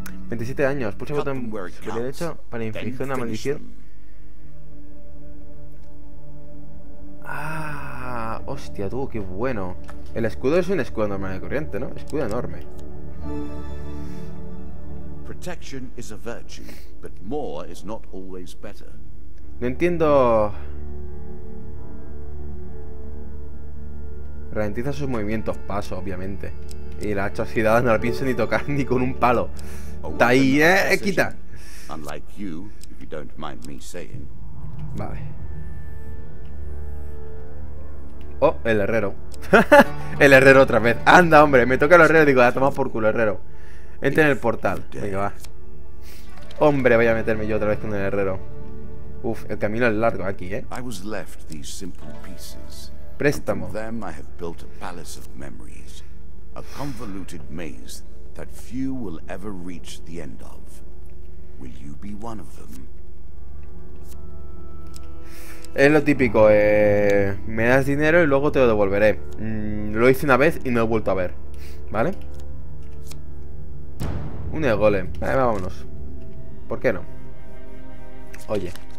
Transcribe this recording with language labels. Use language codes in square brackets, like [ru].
[es] 27 años, pulsa el botón derecho para infligir una maldición. Ah, hostia, tú, qué bueno. El escudo es un escudo normal de corriente, ¿no? Escudo enorme. [en] Protection is a virtue, but more is not always better. [es] No entiendo. Ralentiza sus movimientos, paso, obviamente. Y la hacha oxidada no la pienso ni tocar ni con un palo. Está ahí, quita. [en] Unlike you, if you don't mind me saying. [es] Vale. Oh, el herrero. El herrero otra vez. Anda, hombre, me toca el herrero. Digo, ya, toma por culo, herrero. Entra en el portal. Venga, va. Hombre, voy a meterme yo otra vez con el herrero. Uf, el camino es largo aquí, [en] I was left these simple pieces. [es] Préstamo. [en] From them I have built a palace of memories. A convoluted maze that few will ever reach the end of. Will you be one of them? [es] Es lo típico, me das dinero y luego te lo devolveré. Lo hice una vez y no he vuelto a ver. ¿Vale? Un golem. Vámonos. ¿Por qué no? Oye.